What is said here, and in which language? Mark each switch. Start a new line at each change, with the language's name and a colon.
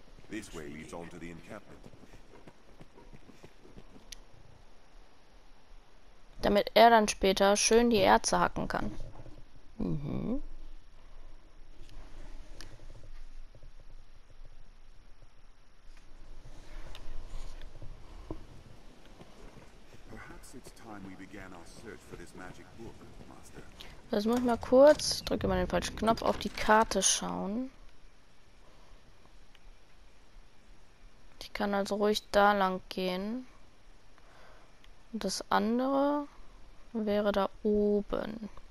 English: This way leads on to the encampment.
German: Damit er dann später schön die Erze hacken kann. Mhm.
English: Perhaps it's time we began our search for this magic book, Master.
German: Das muss ich mal kurz, drücke mal den falschen Knopf, auf die Karte schauen. Ich kann also ruhig da lang gehen. Und das andere wäre da oben.